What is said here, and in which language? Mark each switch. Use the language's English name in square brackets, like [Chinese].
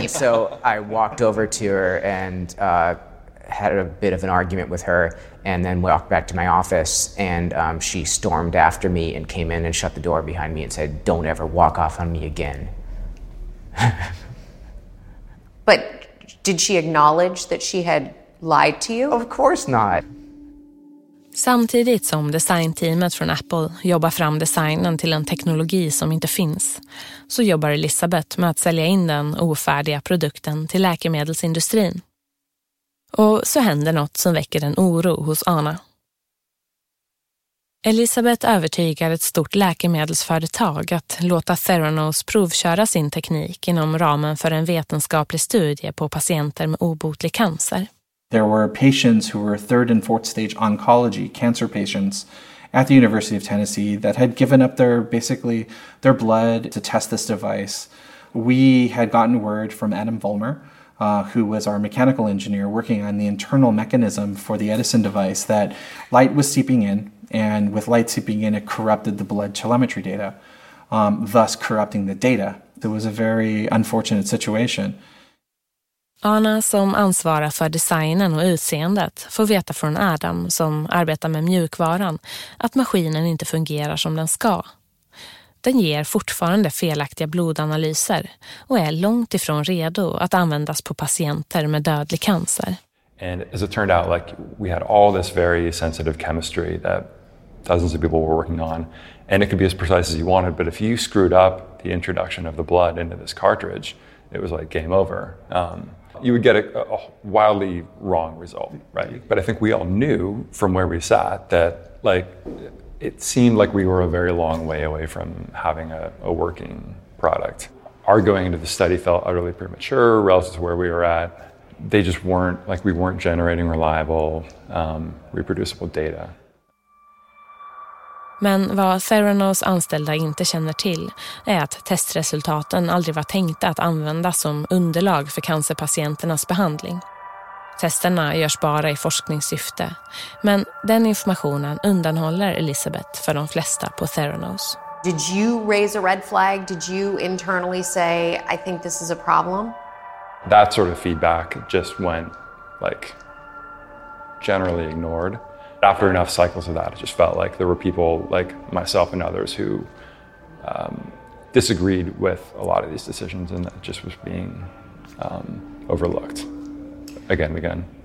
[English] And so I walked over to her and had a bit of an argument with her and then walked back to my office. And she stormed after me and came in and shut the door behind me and said, don't ever walk off on me again. But did she acknowledge that she had lied to you? Of course not. [Swedish] Samtidigt som designteamet från Apple jobbar fram designen till en teknologi som inte finns, så jobbar Elisabeth med att sälja in den ofärdiga produkten till läkemedelsindustrin. Och så händer något som väcker en oro hos Anna. Elisabeth övertygar ett stort läkemedelsföretag att låta Theranos provköra sin teknik inom ramen för en vetenskaplig studie på patienter med obotlig cancer. [English] There were patients who were third and fourth stage oncology cancer patients at the University of Tennessee that had given up their blood to test this device. We had gotten word from Adam Vollmer, who was our mechanical engineer working on the internal mechanism for the Edison device, that light was seeping in, and with light seeping in, it corrupted the blood telemetry data, thus corrupting the data. It was a very unfortunate situation. [Swedish] Anna, som ansvarar för designen och utseendet, får veta från Adam, som arbetar med mjukvaran, att maskinen inte fungerar som den ska. Den ger fortfarande felaktiga blodanalyser och är långt ifrån redo att användas på patienter med dödlig cancer. [English] And as it turned out, like, we had all this very sensitive chemistry that dozens of people were working on, and it could be as precise as you wanted, but if you screwed up the introduction of the blood into this cartridge, it was like game over. You would get a wildly wrong result, right? But I think we all knew from where we sat that, like, it seemed like we were a very long way away from having a working product. Our going into the study felt utterly premature relative to where we were at. They just weren't, like, we weren't generating reliable, reproducible data. [Swedish] Men vad Theranos anställda inte känner till är att testresultaten aldrig var tänkta att användas som underlag för cancerpatienternas behandling. Testerna görs bara i forskningssyfte, men den informationen undanhåller Elisabeth för de flesta på Theranos. [English] Did you raise a red flag? Did you internally say, I think this is a problem? That sort of feedback just went, like, generally ignored. After enough cycles of that, it just felt like there were people like myself and others who disagreed with a lot of these decisions, and that just was being overlooked again and again.